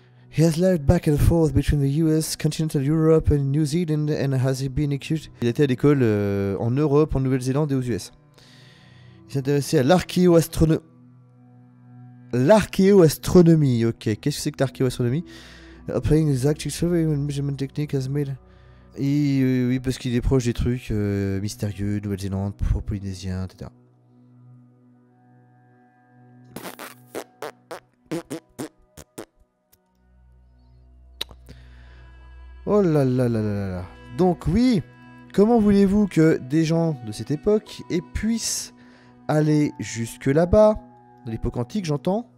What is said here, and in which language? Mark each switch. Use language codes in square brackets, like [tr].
[en] He has lived back and forth between the US, continental Europe and New Zealand and has been accused. [fr] Il était à l'école en Europe, en Nouvelle-Zélande et aux US. Il s'intéressait à l'archéoastronomie. Ok, qu'est-ce que c'est que l'archéoastronomie? [en] Applying exact survey and measurement technique as made. [fr] Oui, parce qu'il est proche des trucs mystérieux, Nouvelle-Zélande, polynésien, etc. Oh là là là là là là. Donc oui, comment voulez-vous que des gens de cette époque et puissent aller jusque là-bas, dans l'époque antique, j'entends.